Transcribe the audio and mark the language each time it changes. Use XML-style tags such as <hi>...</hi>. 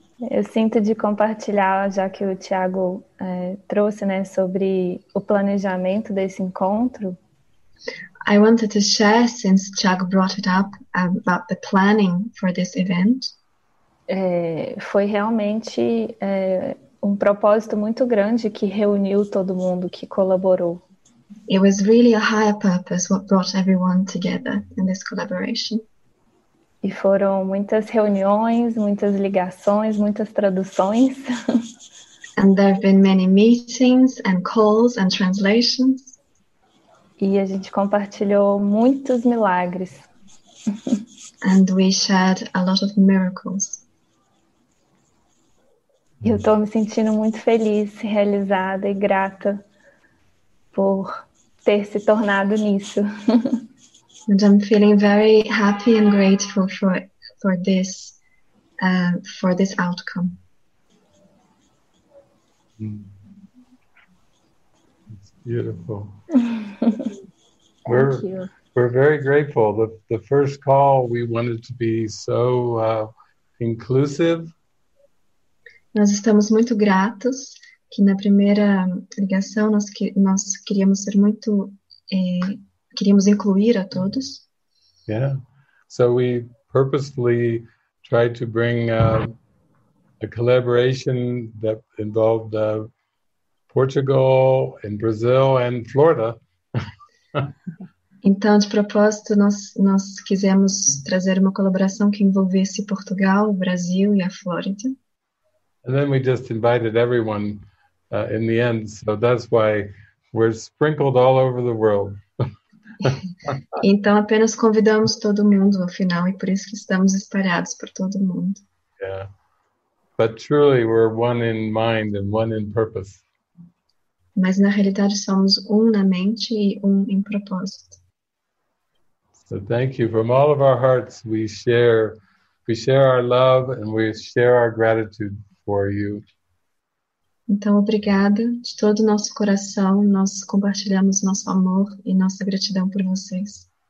<pt>Eu sinto de compartilhar, já que o Thiago trouxe, né, sobre o planejamento desse encontro.</pt> <en>I wanted to share, since Thiago brought it up, about the planning for this event.</en> <pt>Foi realmente um propósito muito grande que reuniu todo mundo, que colaborou.</pt> <en>It was really a higher purpose what brought everyone together in this collaboration.</en> <pt>E foram muitas reuniões, muitas ligações, muitas traduções.</pt> <en>And there have been many meetings and calls and translations.</en> <pt>E a gente compartilhou muitos milagres.</pt> <en>And we shared a lot of miracles.</en> <pt>E eu estou me sentindo muito feliz, realizada e grata por ter se tornado nisso.</pt> <en>And I'm feeling very happy and grateful for this outcome. It's beautiful. Thank you. We're very grateful. The first call, we wanted to be so inclusive.</en> <pt>Nós estamos muito gratos que na primeira ligação nós queríamos ser muito queríamos incluir a todos.</pt> <en>Yeah, so we purposely tried to bring a collaboration that involved Portugal and Brazil and Florida.</en> <pt>Então, de propósito, nós quisemos trazer uma colaboração que envolvesse Portugal, Brasil e a Flórida.</pt> <en>And then we just invited everyone in the end, so that's why we're sprinkled all over the world.</en> <pt>Então apenas convidamos todo mundo no final, e por isso que estamos espalhados por todo mundo.</pt> <en>Yeah, but truly we're one in mind and one in purpose.</en> <pt>Mas na realidade somos um na mente e um em propósito.</pt> <en>So thank you from all of our hearts. We share our love and we share our gratitude for you.</en> <pt>Então, obrigada de todo o nosso coração. Nós compartilhamos nosso amor e nossa gratidão por vocês.</pt>